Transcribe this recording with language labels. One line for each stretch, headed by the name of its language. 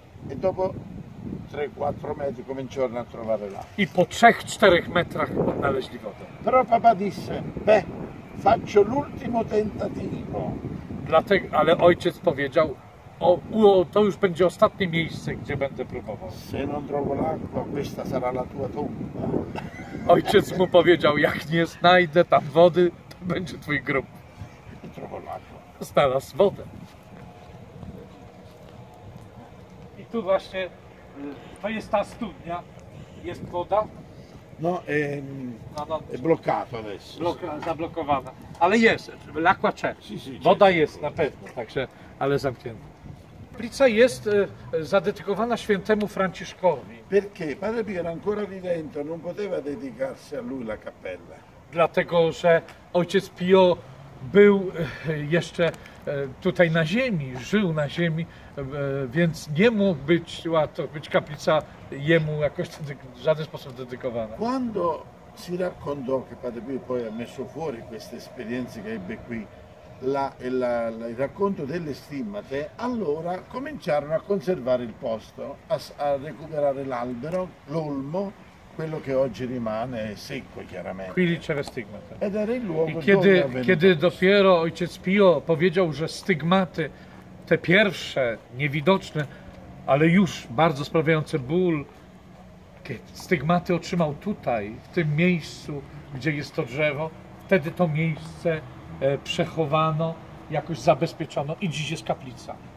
Italian: E dopo 3-4 metri cominciarono a trovare l'acqua.
Polish: I po 3-4 metrach odnaleźli wodę.
Italian: Però papà disse, beh, faccio l'ultimo tentativo.
Polish: Dlatego, ale ojciec powiedział, to już będzie ostatnie miejsce, gdzie będę próbował.
Italian: Se non trovo l'acqua, questa sarà la tua tomba.
Polish: Ojciec mu powiedział, jak nie znajdę tam wody, to będzie twój grób.
Italian: Trovo l'acqua.
Polish: Znalazł wodę. I tu właśnie, to jest ta studnia. Jest woda?
Italian: No, è bloccato adesso.
Polish: Zablokowana. Ale jest,
Italian: l'acqua c'è.
Polish: Woda jest na pewno, także, ale zamknięta. Kaplica jest zadedykowana świętemu Franciszkowi.
Italian: Perché padre Pio era ancora vivente, non poteva dedicarsi a lui la cappella.
Polish: Dlatego, że ojciec Pio był jeszcze tutaj na ziemi, żył na ziemi, więc nie mógł być, to być kaplica jemu jakoś w żaden sposób dedykowana.
Italian: Quando si raccontò che padre Pio poi ha messo fuori queste esperienze che ebbe qui. Il racconto delle stimmate, allora cominciarono a conservare il posto, a recuperare l'albero, l'olmo, quello che oggi rimane secco chiaramente. Qui diceva stigmate. Ed era il luogo
Polish: dove kiedy dopiero ojciec Pio powiedział, że stygmaty, te pierwsze, niewidoczne, ale już bardzo sprawiające ból, stygmaty otrzymał tutaj, w tym miejscu, gdzie jest to drzewo, wtedy to miejsce przechowano, jakoś zabezpieczono i dziś jest kaplica.